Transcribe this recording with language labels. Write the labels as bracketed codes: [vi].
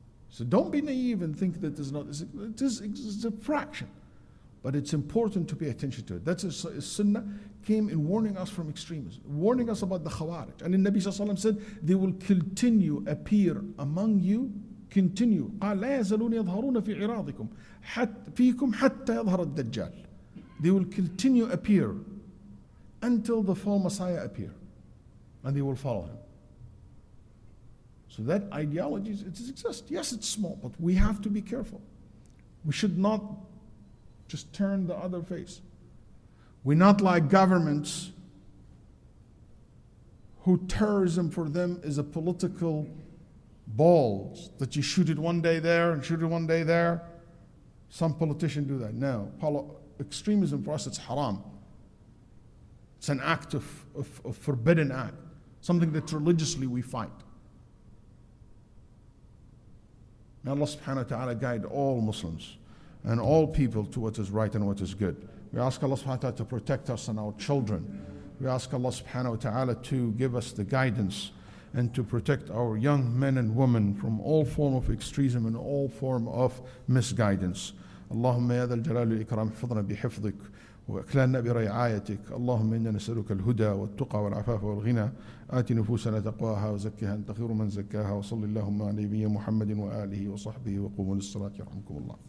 [en] So don't be naive and think that there's not, it's a fraction. But it's important to pay attention to it. That's a sunnah came in warning us from extremism, warning us about the Khawarij. And the Nabi Sallallahu Alaihi Wasallam said, they will continue appear among you continue. [ar] قال لا يزالون يظهرون في عراضكم فيكم حتى يظهر الدجال. [en] They will continue appear until the false Messiah appear, and they will follow him. So that ideology exists. Yes, it's small, but we have to be careful. We should not just turn the other face. We're not like governments who terrorism for them is a political ball that you shoot it one day there and shoot it one day there. Some politician do that. No, extremism for us, it's haram. It's an act of forbidden act, something that religiously we fight. May Allah subhanahu wa ta'ala guide all Muslims and all people to what is right and what is good. We ask Allah subhanahu wa ta'ala to protect us and our children. We ask Allah subhanahu wa ta'ala to give us the guidance and to protect our young men and women from all form of extremism and all form of misguidance. [ar] اللهم يا ذا الجلال والإكرام احفظنا بحفظك وأكلنا برعايتك. اللهم إنا نسألك الهدى والتقى والعفاف والغنى. آت نفوسنا تقواها وزكها أنت خير من زكاها. وصلى اللهم على نبينا محمد وآله وصحبه وقوموا للصلاة يرحمكم الله.